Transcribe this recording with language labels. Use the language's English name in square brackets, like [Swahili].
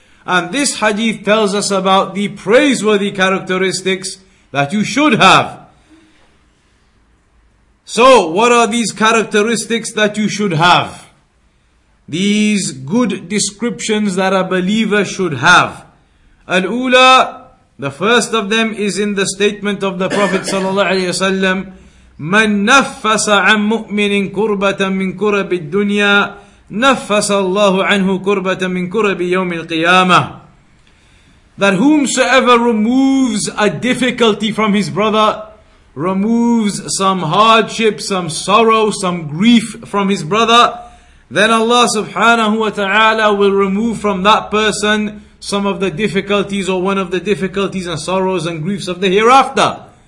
[English] And this hadith tells us about the praiseworthy characteristics that you should have. So, what are these characteristics that you should have? These good descriptions that a believer should have. [Arabic] الأولى, [English] the first of them is in the statement of the Prophet [Arabic] صلى الله عليه وسلم, من نفس عن مؤمن كربة من كرب الدنيا نفس الله عنه كربة من كرب يوم القيامة. [English] That whomsoever removes a difficulty from his brother, removes some hardship, some sorrow, some grief from his brother, then Allah subhanahu wa ta'ala will remove from that person some of the difficulties or one of the difficulties and sorrows and griefs of the hereafter.